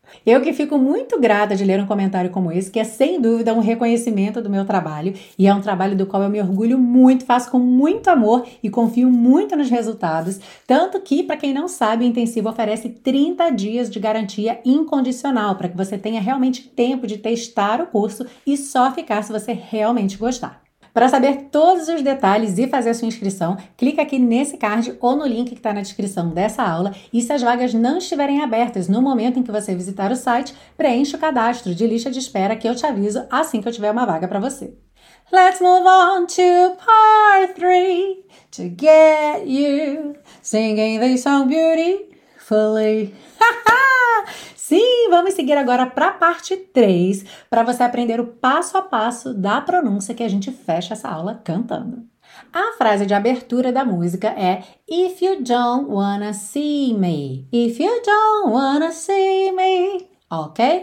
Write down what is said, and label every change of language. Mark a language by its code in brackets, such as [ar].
[pt] Eu que fico muito grata de ler um comentário como esse, que é sem dúvida um reconhecimento do meu trabalho e é um trabalho do qual eu me orgulho muito, faço com muito amor e confio muito nos resultados, tanto que, para quem não sabe, o intensivo oferece 30 dias de garantia incondicional para que você tenha realmente tempo de testar o curso e só ficar se você realmente gostar. Para saber todos os detalhes e fazer a sua inscrição, clica aqui nesse card ou no link que está na descrição dessa aula. E se as vagas não estiverem abertas no momento em que você visitar o site, preencha o cadastro de lista de espera que eu te aviso assim que eu tiver uma vaga para você. [en] Let's move on to part 3 to get you singing this song beautifully. [pt] Sim, vamos seguir agora para a parte 3, para você aprender o passo a passo da pronúncia que a gente fecha essa aula cantando. A frase de abertura da música é [en] If you don't wanna see me, if you don't wanna see me, ok?